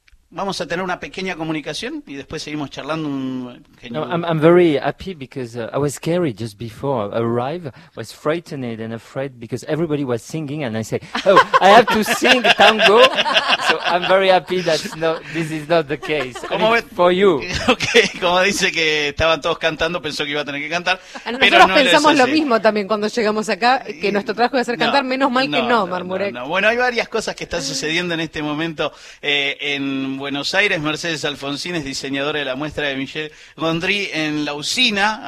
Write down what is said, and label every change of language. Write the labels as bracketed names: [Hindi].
[Spanish] Vamos a tener una pequeña comunicación y después seguimos charlando. [English] I'm very happy because I was scared just before I arrived. I was frightened and afraid because everybody was singing and I say, oh, I have to sing tango. So I'm very happy that this is not the case. [Spanish] ¿Cómo [English] I mean, for you. [Spanish] Okay, como dice que estaban todos cantando, pensó que iba a tener que cantar. Nosotros pero no pensamos lo mismo también cuando llegamos acá, que nuestro trabajo iba a ser cantar, menos mal que no marmuré. No. Bueno, hay varias cosas que están sucediendo en este momento en Buenos Aires. Mercedes Alfonsín es diseñadora de la muestra de Michel Gondry en la usina.